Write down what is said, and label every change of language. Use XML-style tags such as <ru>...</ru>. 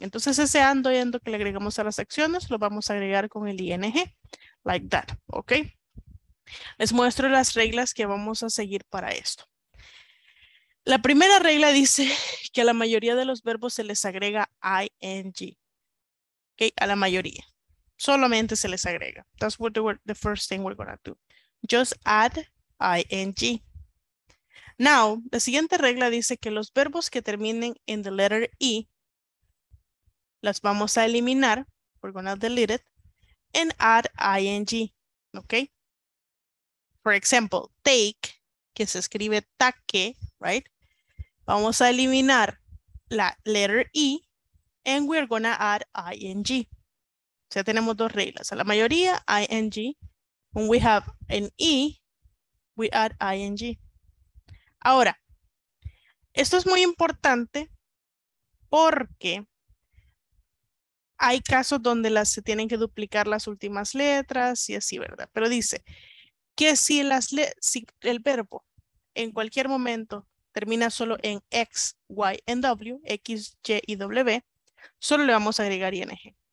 <es>Entonces ese ando y endo que le agregamos a las acciones lo vamos a agregar con el ing, like that, ¿ok? Les muestro las reglas que vamos a seguir para esto. La primera regla dice que a la mayoría de los verbos se les agrega ing, ¿ok? A la mayoría, solamente se les agrega.</es> <en>That's what the first thing we're gonna do. Just add ing. Now,</en> <es>la siguiente regla dice que los verbos que terminen en</es> <en>the letter e</en> <es>las vamos a eliminar,</es> <en>we're gonna delete it, and add ing,</en> <es>¿ok?</es> <en>For example, take,</en> <es>que se escribe</es> <en>take, right?</en> <es>Vamos a eliminar la</es> <en>letter E, and we're gonna add ing.</en> <es>O sea, tenemos dos reglas. A la mayoría, ing.</es> <en>When we have an E, we add ing.</en> <es>Ahora, esto es muy importante porque hay casos donde las se tienen que duplicar las últimas letras y así, ¿verdad? Pero dice que si las si el verbo en cualquier momento termina solo en X, Y, and W, X, Y y W, solo le vamos a agregar ING.</es>